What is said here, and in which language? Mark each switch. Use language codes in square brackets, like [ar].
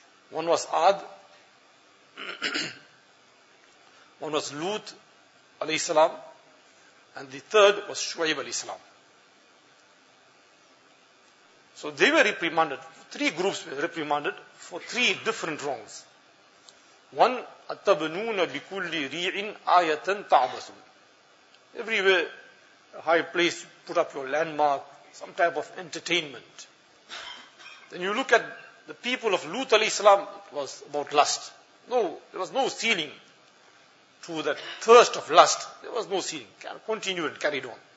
[en] One was Ad, one was Lut, alayhi salam, and the third was Shu'ayb, alayhi salam. So they were reprimanded, three groups were reprimanded for three different wrongs. One, [ar] أَتَّبْنُونَ بِكُلِّ رِيْعٍ آيَةً تَعْبَثُونَ. [en] Everywhere, a high place, put up your landmark, some type of entertainment. Then you look at the people of Lut, alayhi salam, was about lust. No, there was no ceiling to that thirst of lust. There was no ceiling. Continued and carried on.